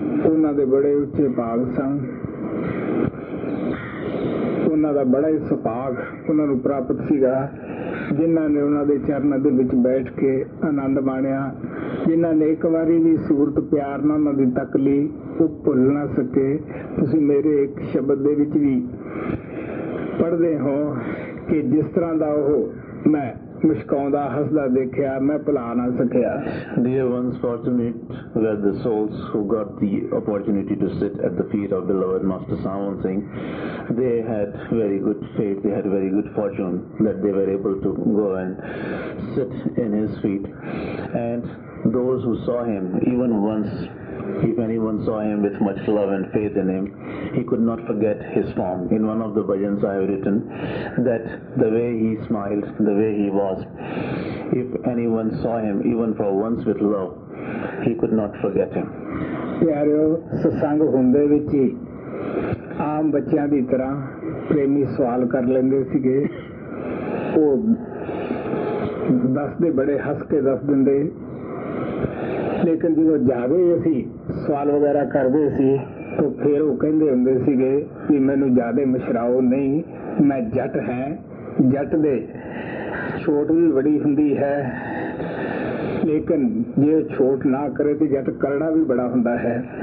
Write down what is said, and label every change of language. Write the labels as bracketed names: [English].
[Punjabi] ਉਹਨਾਂ ਦੇ ਬੜੇ ਉੱਚੇ ਭਾਗ ਸਨ, ਉਹਨਾਂ ਦਾ ਬੜਾ ਹੀ ਸੁਭਾਗ ਉਹਨਾਂ ਨੂੰ ਪ੍ਰਾਪਤ ਸੀਗਾ, ਜਿਨ੍ਹਾਂ ਨੇ ਉਹਨਾਂ ਦੇ ਚਰਨਾਂ ਦੇ ਵਿੱਚ ਬੈਠ ਕੇ ਆਨੰਦ ਮਾਣਿਆ, ਜਿਨ੍ਹਾਂ ਨੇ ਇੱਕ ਵਾਰੀ ਵੀ ਸੂਰਤ ਪਿਆਰ ਨਾਲ ਉਹਨਾਂ ਦੀ ਤੱਕ ਲਈ ਉਹ ਭੁੱਲ ਨਾ ਸਕੇ। ਤੁਸੀਂ ਮੇਰੇ ਇੱਕ ਸ਼ਬਦ ਦੇ ਵਿੱਚ ਵੀ ਪੜ੍ਹਦੇ ਹੋ ਕਿ ਜਿਸ ਤਰ੍ਹਾਂ ਦਾ ਉਹ ਮੈਂ ਮੁਸ਼ਕਾਉਂਦਾ ਹੱਸਦਾ ਦੇਖਿਆ, ਮੈਂ ਭੁਲਾ ਨਾ ਸਕਿਆ। [English] Dear ones, fortunate were the souls who got the opportunity to sit at the feet of beloved Master Savan Singh. They had very good faith, they had very good fortune that they were able to go and sit in his feet. And those who saw him even once If anyone saw him with much love and faith in him, he could not forget his form. In one of the bhajans I have written that the way he smiled, the way he was, if anyone saw him even for once with love, he could not forget him. [Punjabi] ਪਿਆਰਿਓ ਸਤਸੰਗ ਹੁੰਦੇ ਵਿੱਚ ਹੀ ਆਮ ਬੱਚਿਆਂ ਦੀ ਤਰ੍ਹਾਂ ਪ੍ਰੇਮੀ ਸਵਾਲ ਕਰ ਲੈਂਦੇ ਸੀਗੇ ਉਹ ਦੱਸਦੇ ਬੜੇ ਹੱਸ ਕੇ ਦੱਸ ਦਿੰਦੇ ਲੇਕਿਨ ਜਦੋਂ ਜਾਵੇ ਅਸੀਂ ਸਵਾਲ ਵਗੈਰਾ ਕਰਦੇ ਸੀ ਤਾਂ ਫਿਰ ਉਹ ਕਹਿੰਦੇ ਹੁੰਦੇ ਸੀਗੇ ਕਿ ਮੈਨੂੰ ਜ਼ਿਆਦਾ ਮਸ਼ਰਾਓ ਨਹੀਂ ਮੈਂ ਜੱਟ ਹੈ ਜੱਟ ਦੇ ਛੋਟ ਵੀ ਬੜੀ ਹੁੰਦੀ ਹੈ ਲੇਕਿਨ ਜੇ ਛੋਟ ਨਾ ਕਰੇ ਤਾਂ ਜੱਟ ਕਰਨਾ ਵੀ ਬੜਾ ਹੁੰਦਾ ਹੈ